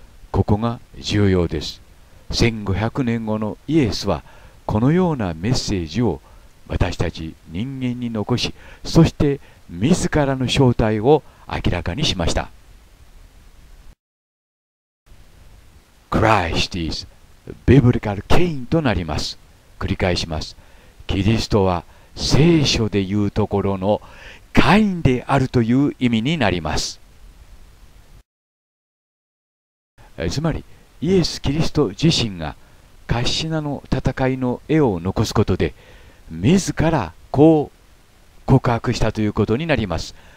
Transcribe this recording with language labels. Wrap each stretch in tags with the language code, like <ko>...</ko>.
<ja>ここが重要です。1500年後のイエスはこのようなメッセージを私たち人間に残し、そして自らの正体を明らかにしました。</ja> <en>Christ is biblical Cain</en> <ja>となります。繰り返します。キリストは聖書でいうところのカインであるという意味になります。つまりイエス・キリスト自身がカッシナの戦いの絵を残すことで自らこう告白したということになります。</ja>